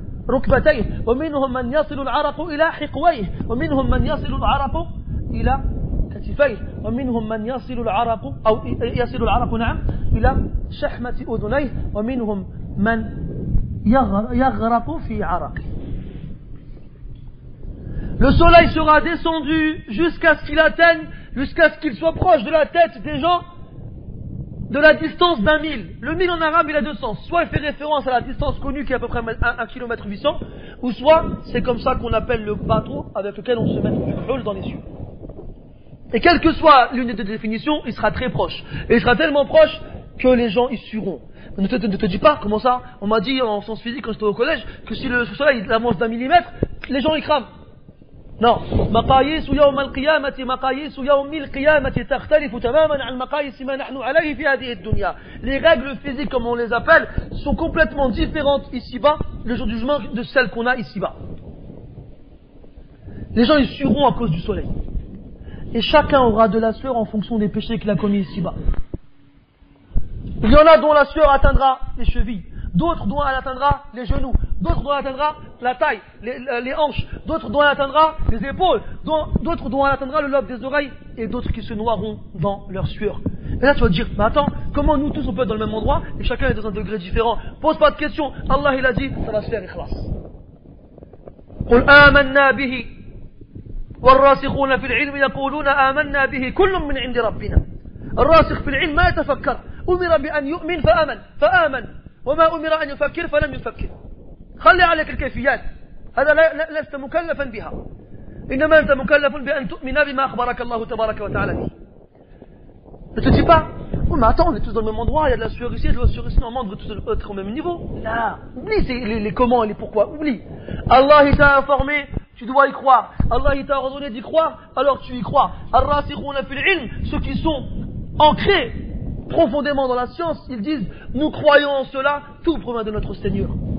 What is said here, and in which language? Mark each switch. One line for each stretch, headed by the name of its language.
Arabic: ركبتيه، ومنهم من يصل العرق إلى حقويه، ومنهم من يصل العرق إلى كتفيه، ومنهم من يصل العرق أو يصل العرق نعم إلى شحمة أذنيه، ومنهم من يغرق في عرقه.
French: Le soleil sera descendu jusqu'à ce qu'il atteigne, jusqu'à ce qu'il soit proche de la tête des gens de la distance d'un mille. Le mille en arabe, il a deux sens. Soit il fait référence à la distance connue qui est à peu près 1,8 km, ou soit c'est comme ça qu'on appelle le bateau avec lequel on se met du hul dans les cieux. Et quelle que soit l'une des définitions, il sera très proche. Et il sera tellement proche que les gens y sueront. Ne te dis pas, comment ça? On m'a dit en sciences physiques quand j'étais au collège que si le soleil avance d'un millimètre, les gens y crament. Non.
Arabic: مقاييس يوم القيامة مقاييس يوم القيامة تختلف تماما عن مقاييس ما نحن عليه في هذه الدنيا.
French: Les règles physiques, comme on les appelle, sont complètement différentes ici-bas, le jour du jugement, de celles qu'on a ici-bas. Les gens y sueront à cause du soleil. Et chacun aura de la sueur en fonction des péchés qu'il a commis ici-bas. Il y en a dont la sueur atteindra les chevilles, d'autres dont elle atteindra les genoux, d'autres dont elle atteindra la taille, les hanches, d'autres dont elle atteindra les épaules, d'autres dont elle atteindra le lobe des oreilles, et d'autres qui se noieront dans leur sueur. Et là tu vas te dire, mais attends, comment nous tous on peut être dans le même endroit, et chacun est dans un degré différent? Pose pas de questions, Allah il a dit, ça va se faire, ikhlas.
Arabic: قُلْ آمَنَّا بِهِ وَالرَّاسِخُونَ فِي الْعِلْمِ يَقُولُونَ آمَنَّا بِهِ كُلٌّ مِّنْ عِنْدِ رَبِّنَا. الراسخ في العلم ما يتفكر أمر بأن يؤمن فآمن وما أمر أن يفكر فلم يفكر. خلي عليك الكيفيات، هذا لست مكلفا بها، إنما أنت مكلف بأن تؤمن بما أخبرك الله تبارك وتعالى.
French: Ne te dis pas, mais attends, on est tous dans le même endroit, il y a de la sueur ici, de la sueur ici, normalement, on veut tous être au même niveau. Là, oublie les comment et les pourquoi, oublie. Allah t'a informé, tu dois y croire. Allah t'a ordonné d'y croire, alors tu y crois.
Arabic: Ar-rasikhuna fil ilm,
French: ceux qui sont ancrés profondément dans la science, ils disent, nous croyons en cela, tout provient de notre Seigneur.